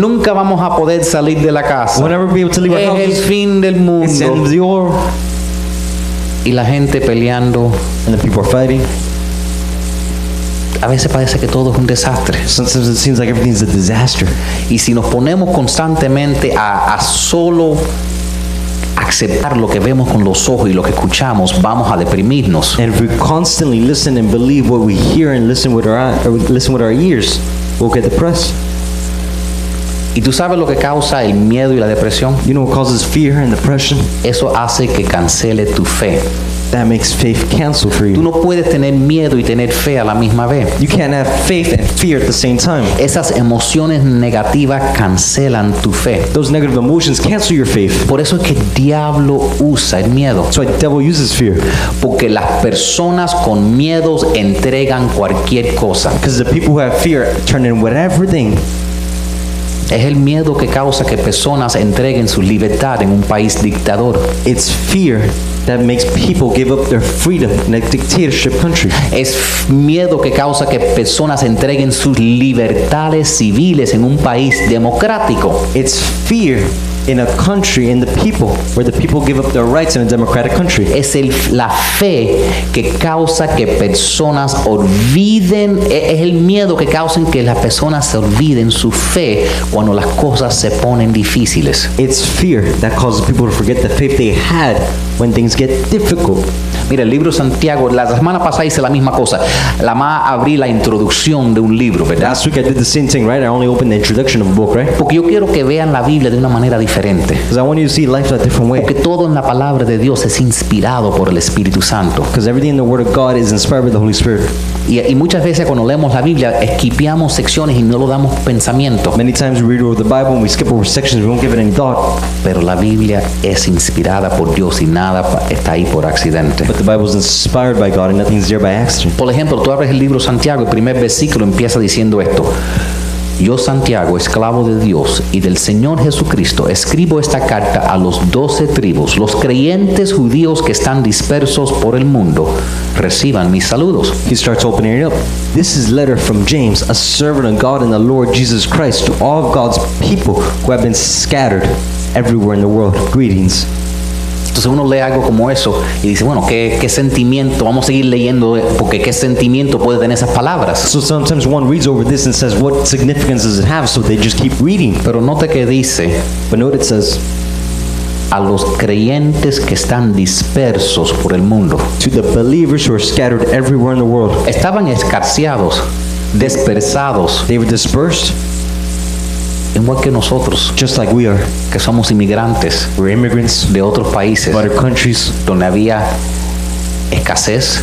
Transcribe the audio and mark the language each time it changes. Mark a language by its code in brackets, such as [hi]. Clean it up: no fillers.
[es] Nunca vamos a poder salir de la casa. [en] We'll never be able to leave our house. [es] Es el fin del mundo. [en] It's the end of the world. [es] Y la gente peleando. [en] And the people are fighting. [es] A veces parece que todo es un desastre. [en] Sometimes it seems like everything is a disaster. [es] Y si nos ponemos constantemente a solo aceptar lo que vemos con los ojos y lo que escuchamos, vamos a deprimirnos. [en] And if we constantly listen and believe what we hear and listen with our eyes, or listen with our ears, we'll get depressed. [es] ¿Y tú sabes lo que causa el miedo y la depresión? [en] You know what causes fear and depression? [es] Eso hace que cancele tu fe. [en] That makes faith cancel for you. [es] Tú no puedes tener miedo y tener fe a la misma vez. [en] You can't have faith and fear at the same time. [es] Esas emociones negativas cancelan tu fe. [en] Those negative emotions cancel your faith. [es] Por eso es que el diablo usa el miedo. [en] That's why the devil uses fear. [es] Porque las personas con miedos entregan cualquier cosa. [en] Because the people who have fear turn in whatever thing. [es] Es el miedo que causa que personas entreguen su libertad en un país dictador. [en] It's fear that makes people give up their freedom in a dictatorship country. [es] Es miedo que causa que personas entreguen sus libertades civiles en un país democrático. [en] It's fear in a country, in the people, where the people give up their rights in a democratic country. [es] Es la fe que causa que personas olviden, es el miedo que causa que las personas se olviden su fe cuando las cosas se ponen difíciles. [en] It's fear that causes people to forget the faith they had when things get difficult. [es] Mira, el libro Santiago, la semana pasada hice la misma cosa. La más abrí la introducción de un libro, ¿verdad? [en] Last week I did the same thing, right? I only opened the introduction of a book, right? [es] Porque yo quiero que vean la Biblia de una manera diferente. [en] Because I want you to see life a different way. [es] Porque todo en la palabra de Dios es inspirado por el Espíritu Santo. [en] Because everything in the Word of God is inspired by the Holy Spirit. [es] Y muchas veces cuando leemos la Biblia, esquipeamos secciones y no lo damos pensamiento. [en] Many times we read the Bible and we skip over sections, we don't give it any thought. [es] Pero la Biblia es inspirada por Dios y nada está ahí por accidente. [en] But the Bible is inspired by God and nothing is there by accident. [es] Por ejemplo, tú abres el libro Santiago, el primer versículo empieza diciendo esto. Yo, Santiago, esclavo de Dios y del Señor Jesucristo, escribo esta carta a los 12 tribus, los creyentes judíos que están dispersos por el mundo. Reciban mis saludos. [en] He starts opening it up. This is a letter from James, a servant of God and the Lord Jesus Christ, to all of God's people who have been scattered everywhere in the world. Greetings. [es] Entonces uno lee algo como eso y dice, bueno, ¿qué sentimiento? Vamos a seguir leyendo porque ¿qué sentimiento puede tener esas palabras? [en] So sometimes one reads over this and says, what significance does it have? So they just keep reading. [es] Pero note que dice, [en] but note it says, [es] a los creyentes que están dispersos por el mundo. [en] To the believers who are scattered everywhere in the world. [es] Estaban escarciados, dispersados. [en] They were dispersed. [es] Igual que nosotros, [en] just like we are, [es] que somos inmigrantes, [en] we're immigrants, [es] de otros países, [en] other countries, [es] donde había escasez,